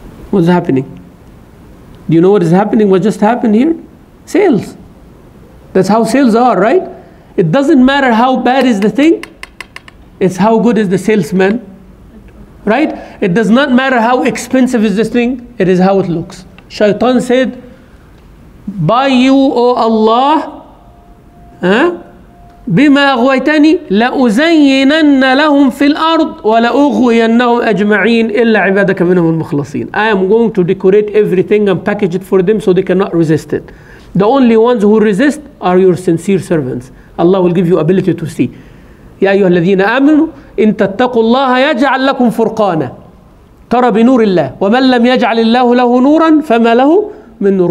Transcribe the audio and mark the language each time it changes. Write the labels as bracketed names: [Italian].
[English] What's happening? Do you know what is happening? What just happened here? Sales. That's how sales are, right? It doesn't matter how bad is the thing, it's how good is the salesman, right? It does not matter how expensive is this thing, it is how it looks. Shaitan said, by you, O Allah, [Arabic] بِمَا أَغْوَيْتَنِي لَأُزَيِّنَنَّ لَهُمْ فِي الْأَرْضِ وَلَأُغْوِيَنَّهُمْ أَجْمَعِينَ إِلَّا عِبَادَكَ مِنْهُمُ الْمُخْلَصِينَ. [English] I am going to decorate everything and package it for them so they cannot resist it. The only ones who resist are your sincere servants. Allah will give you ability to see. [Arabic] يَا أَيُّهَا الَّذِينَ آمِنُوا إِن تَتَّقُوا اللَّهَ يَجْعَلْ لَكُمْ فُرْقَانًا تَرَى بِنُورِ اللَّهِ وَمَنْ لَمْ يَجْعَلِ اللَّهُ لَهُ نُورًا فَمَا لَهُ مِنْ نُورٍ.